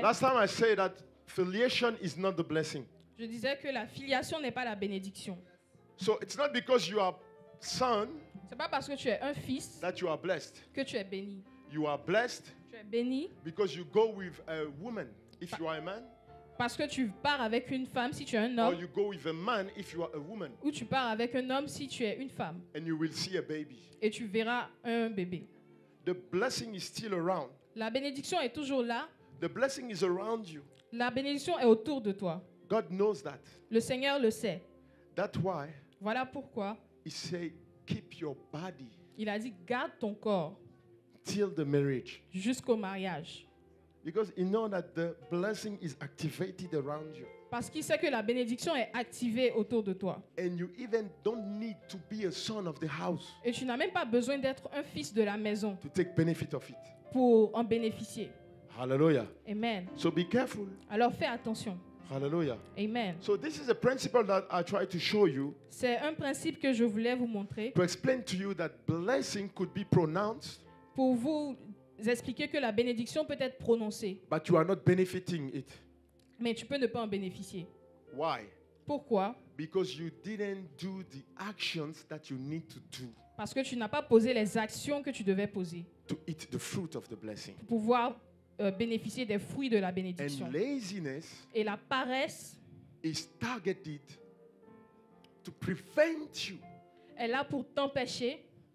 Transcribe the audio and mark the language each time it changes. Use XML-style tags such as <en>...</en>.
<en>Last time I said that filiation is not the blessing.</en> <fr>Je disais que la filiation n'est pas la bénédiction.</fr> <en>So it's not because you are son.</en> <fr>C'est pas parce que tu es un fils</fr> <en>that you are blessed.</en> <fr>Que tu es béni.</fr> <en>You are blessed.</en> <fr>Tu es béni.</fr> <en>Because you go with a woman if you are a man.</en> <fr>Parce que tu pars avec une femme si tu es un homme.</fr> <en>Or you go with a man if you are a woman.</en> <fr>Ou tu pars avec un homme si tu es une femme.</fr> <en>And you will see a baby.</en> <fr>Et tu verras un bébé.</fr> <en>The blessing is still around.</en> <fr>La bénédiction est toujours là.</fr> <en>The blessing is around you.</en> <fr>La bénédiction est autour de toi.</fr> <en>God knows that.</en> <fr>Le Seigneur le sait.</fr> <en>That's why.</en> <fr>Voilà pourquoi.</fr> <en>He said, keep your body.</en> <fr>Il a dit garde ton corps.</fr> <en>Till the marriage.</en> <fr>Jusqu'au mariage.</fr> <en>Because he knows that the blessing is activated around you.</en> <fr>Parce qu'il sait que la bénédiction est activée autour de toi.</fr> <en>And you even don't need to be a son of the house.</en> <fr>Et tu n'as même pas besoin d'être un fils de la maison.</fr> <en>To take benefit of it.</en> <fr>Pour en bénéficier. Hallelujah. Amen.</fr> <en>So be careful.</en> <fr>Alors fais attention. Hallelujah. Amen.</fr> <en>So this is a principle that I try to show you.</en> <fr>C'est un principe que je voulais vous montrer.</fr> <en>To explain to you that blessing could be pronounced.</en> <fr>Pour vous expliquer que la bénédiction peut être prononcée.</fr> <en>But you are not benefiting it.</en> <fr>Mais tu peux ne pas en bénéficier.</fr> <en>Why?</en> <fr>Pourquoi?</fr> <en>Because you didn't do the actions that you need to do.</en> <fr>Parce que tu n'as pas posé les actions que tu devais poser.</fr> <en>To eat the fruit of the blessing.</en> <fr>Pour pouvoir bénéficier des fruits de la bénédiction.</fr> <en>And laziness</en> <fr>et la paresse</fr> <en>is targeted to prevent you.</en> <fr>Elle a pour t'empêcher</fr>